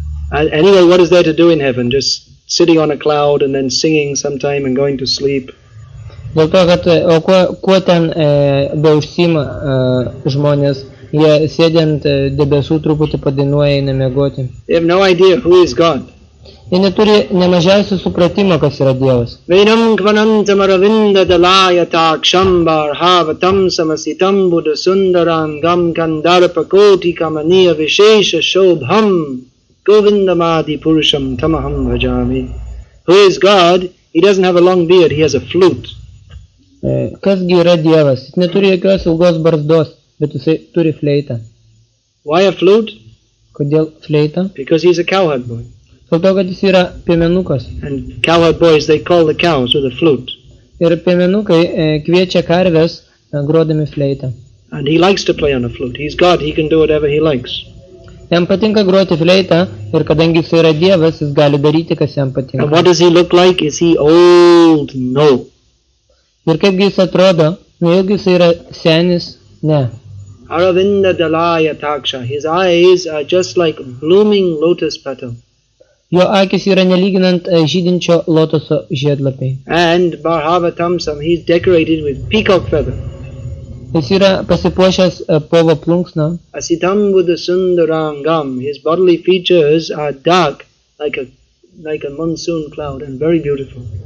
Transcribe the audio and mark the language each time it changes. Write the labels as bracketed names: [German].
[English] Because anyway, what is there to do in heaven? Just sitting on a cloud and then singing sometime and going to sleep. [Lithuanian] Dėl to, kad o kuo ten beužsima žmonės, jie sėdint debesų truputį padainuoja į nemiegoti. [English] They have no idea who is God. [Lithuanian] Jie neturi nemažiausio supratimo, kas yra Dievas. [Sanskrit] Vainam kvanantam aravinda dalayata kshambar havatam samasitam buddha sundarangam kandarpa koti kamaniya vishesha shobham Govindamadi Purusham Tamaham Vajami. [English] Who is God? He doesn't have a long beard, he has a flute. [Lithuanian] Kas gi yra Dievas? Jis neturi jokios ilgos barzdos, bet jis turi fleitą. [English] Why a flute? [Lithuanian] Kodėl fleita? [English] Because he's a cowherd boy. [Lithuanian] Dėl to, kad jis yra piemenukas. [English] And cowherd boys, they call the cows with a flute. [Lithuanian] Ir piemenukai kviečia karves grodami fleitą. [English] And he likes to play on a flute. He's God, he can do whatever he likes. [Lithuanian] Jam patinka groti fleitą, ir kadangi jis yra Dievas, jis gali daryti, kas jam patinka. [English] And what does he look like? Is he old? No. [Lithuanian] Ir kaip jis atrodo? Jeigu jis yra senis? Ne. [Sanskrit] Aravinda Dalaya Taksha. [English] His eyes are just like blooming lotus petal. [Lithuanian] Jo akis yra nelyginant žydinčio lotoso žiedlapiai. [English] And Bharavatamsam, he's decorated with peacock feather. [Lithuanian] Jis yra pasipuošęs povo plunksna. [Sanskrit] Asitam buddha sundarangam. [English] His bodily features are dark, like a monsoon cloud, and very beautiful.